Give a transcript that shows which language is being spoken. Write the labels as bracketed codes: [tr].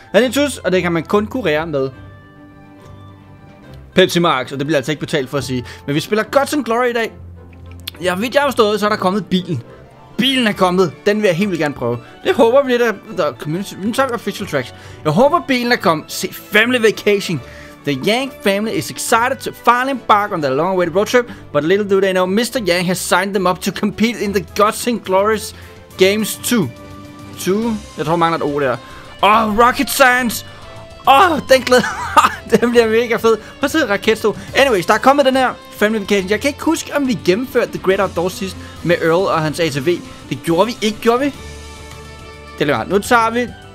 [da] Alentus, og det kan man kun kurere med Pepsi Max, og det bliver altså ikke betalt for at sige. Men vi spiller Gods & Glory i dag. Ja, vidt jeg har stået, så er der kommet bilen. Bilen er kommet. Den vil jeg helt vildt gerne prøve. Det håber vi lidt af The Community. Nu tager vi official tracks. Jeg håber, bilen er kommet. Se, Family Vacation. [en] The Yang family is excited to finally embark on their long-awaited road trip. But little do they know, Mr. Yang has signed them up to compete in the Gods & Glory's Games 2. 2? [da] Jeg tror, mangler et O der. Oh, Rocket Science! Åh, den glæder. Den bliver mega fed. Hvor sidder raketstol? Anyways, der er kommet den her Family Vacation. Jeg kan ikke huske, om vi gennemførte The Great Outdoors sidst med Earl og hans ATV. Det gjorde vi ikke, gjorde vi? Det er lige meget. Nu tager vi...